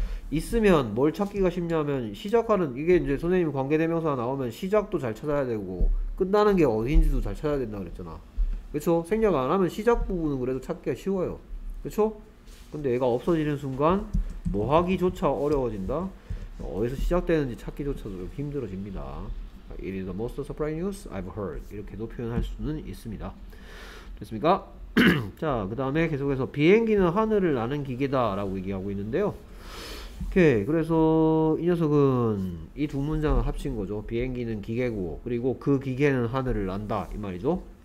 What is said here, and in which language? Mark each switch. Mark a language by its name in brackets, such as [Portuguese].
[Korean] 있으면 뭘 찾기가 쉽냐면 시작하는 이게 이제 선생님 관계대명사가 나오면 시작도 잘 찾아야 되고 끝나는 게 어딘지도 잘 찾아야 된다 그랬잖아. 그렇죠? 생략 안 하면 시작 부분은 그래도 찾기가 쉬워요. 그렇죠? 근데 얘가 없어지는 순간 뭐 하기조차 어려워진다. 어디서 시작되는지 찾기조차 좀 힘들어집니다. [English] It is the most surprising news I've heard. [Korean] 이렇게도 표현할 수는 있습니다. 됐습니까? 자, 그 다음에 계속해서 비행기는 하늘을 나는 기계다 라고 얘기하고 있는데요. 오케이. 그래서 이 녀석은 이 두 문장을 합친 거죠. 비행기는 기계고 그리고 그 기계는 하늘을 난다 이 말이죠.